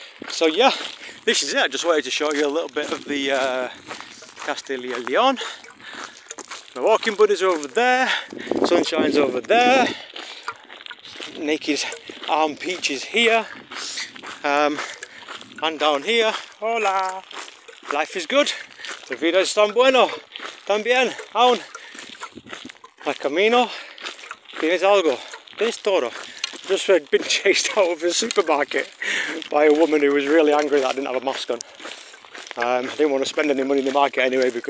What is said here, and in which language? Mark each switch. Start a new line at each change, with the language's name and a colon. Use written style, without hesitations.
English: So yeah, this is it. I just wanted to show you a little bit of the Castilla y León. My walking buddies are over there, sunshine's over there, Naked Arm Peach is here, and down here, hola, life is good.
Spanish: La vida es tan bueno, también, aún.
English: My
Spanish: camino tienes algo, tienes todo.
English: Just been chased out of a supermarket by a woman who was really angry that I didn't have a mask on. I didn't want to spend any money in the market anyway, because